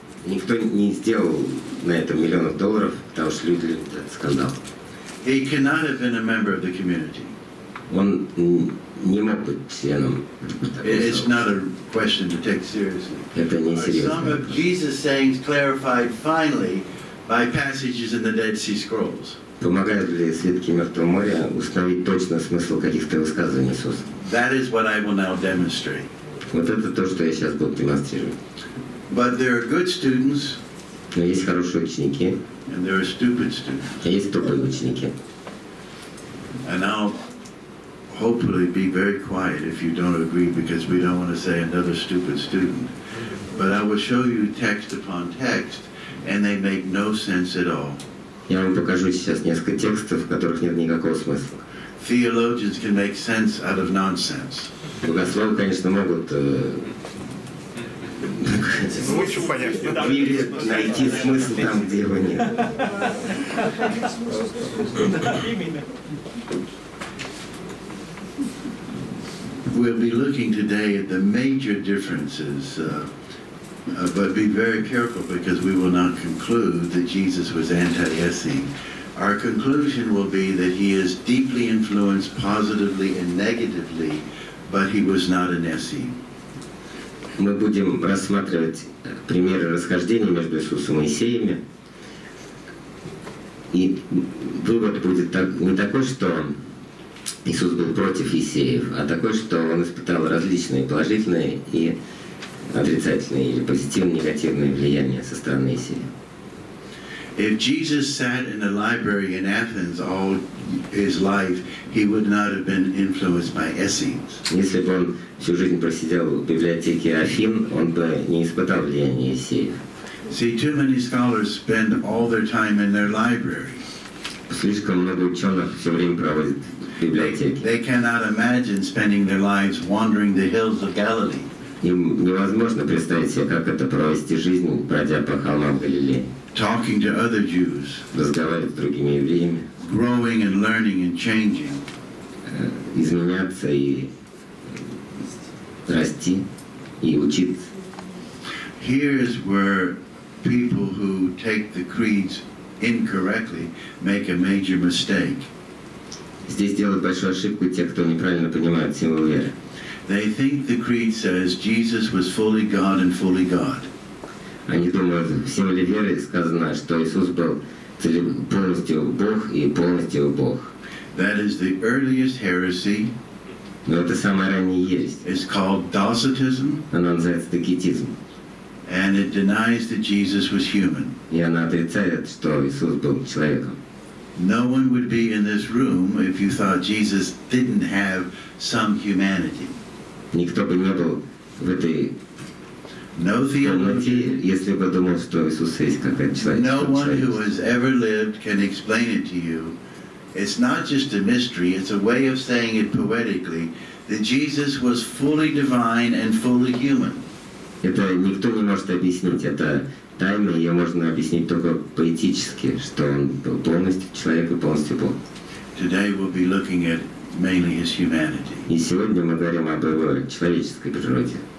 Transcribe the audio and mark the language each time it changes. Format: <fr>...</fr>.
<ru>Никто не сделал на этом миллионов долларов, потому что люди любят этот скандал.</ru> <en>He cannot have been a member of the community.</en> <ru>Он не мог быть членом.</ru> <en>It's not a question to take seriously.</en> <ru>Это не серьезно.</ru> <en>Some of Jesus' sayings clarified finally by passages in the Dead Sea Scrolls.</en> <ru>Помогают ли свитки Мертвого моря установить точно смысл каких-то высказываний Иисуса?</ru> <en>That is what I will now demonstrate.</en> <ru>Вот это то, что я сейчас буду демонстрировать.</ru> <en>But there are good students.</en> <ru>Но есть хорошие ученики.</ru> <en>And there are stupid students.</en> <ru>А есть тупые ученики.</ru> <en>And I'll hopefully be very quiet if you don't agree, because we don't want to say another stupid student. But I will show you text upon text, and they make no sense at all.</en> <ru>Я вам покажу сейчас несколько текстов, в которых нет никакого смысла.</ru> <en>Theologians can make sense out of nonsense.</en> <ru>Богословы, конечно, могут. Лучше понять. Или найти смысл там, где его нет.</ru> <en>We'll be looking today at the major differences, but be very careful because we will not conclude that Jesus was anti-Essene. Our conclusion will be that he is deeply influenced positively and negatively but he was not an Essene.</en> <ru>Мы будем рассматривать примеры расхождения между Иисусом и Моисеями. И вывод будет не такой, что Иисус был против Исеев, а такой, что он испытал различные положительные и отрицательные или позитивные, негативные влияния со стороны Исеев.</ru> <en>If Jesus sat in a library in Athens all his life, he would not have been influenced by Essenes.</en> <ru>Если бы он всю жизнь просидел в библиотеке Афин, он бы не испытал влияния Эссеев.</ru> <en>See, too many scholars spend all their time in their library.</en> <ru>Слишком много ученых все время проводит в библиотеке.</ru> <en>They cannot imagine spending their lives wandering the hills of Galilee.</en> <ru>Им невозможно представить себе, как это провести жизнь, пройдя по холмам Галилеи.</ru> <en>Talking to other Jews,</en> <ru>разговаривать с другими евреями,</ru> <en>growing and learning and changing, изменяться и расти и учиться. Here's where people who take the creeds incorrectly make a major mistake.</en> <ru>Здесь делают большую ошибку те, кто неправильно понимает символ веры.</ru> <en>They think the creed says Jesus was fully God and fully God.</en> <ru>Они думают, в символе веры сказано, что Иисус был полностью Бог и полностью Бог.</ru> <en>That is the earliest heresy.</en> <ru>Но это самая ранняя ересь.</ru> <en>It's called docetism.</en> <ru>Она называется докетизм.</ru> <en>And it denies that Jesus was human.</en> <ru>И она отрицает, что Иисус был человеком.</ru> <en>No one would be in this room if you thought Jesus didn't have some humanity.</en> <ru>Никто бы не был в этой</ru> <en>No theologian, no one who has ever lived can explain it to you. It's not just a mystery, it's a way of saying it poetically, that Jesus was fully divine and fully human.</en> <ru>Это никто не может объяснить, это тайна, ее можно объяснить только поэтически, что он был полностью человек и полностью Бог.</ru> <en>Today we'll be looking at mainly his humanity.</en> <ru>И сегодня мы говорим об его человеческой природе.</ru>